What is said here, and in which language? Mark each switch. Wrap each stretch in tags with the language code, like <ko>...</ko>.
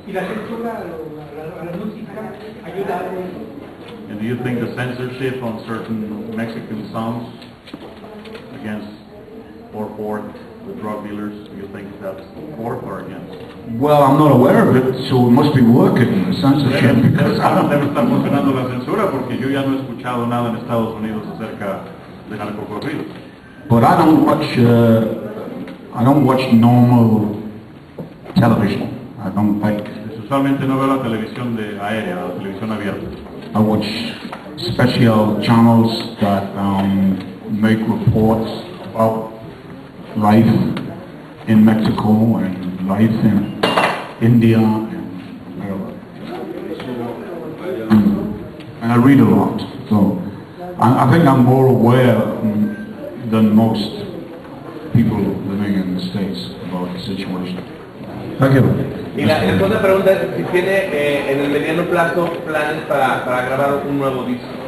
<es>Y la censura a la música ayuda a algo.</es> <en>And do you think the censorship on certain Mexican songs against or the drug dealers, do you think that's for or against? Well, I'm not aware of it, so it must be working, the censorship, because I don't...</en> <es>Debe estar funcionando la censura, porque yo ya no he escuchado nada en Estados Unidos acerca de narcocorrido.</es> <en>But I don't watch normal television. I don't like...</en> <es>Usualmente no veo la televisión de aérea, la televisión abierta.</es> <en>I watch special channels that make reports about life in Mexico and life in India and I read a lot, so I think I'm more aware than most people living in the States about the situation. Thank you.</en> <es>Y la segunda pregunta es si tiene en el mediano plazo planes para grabar un nuevo disco.</es>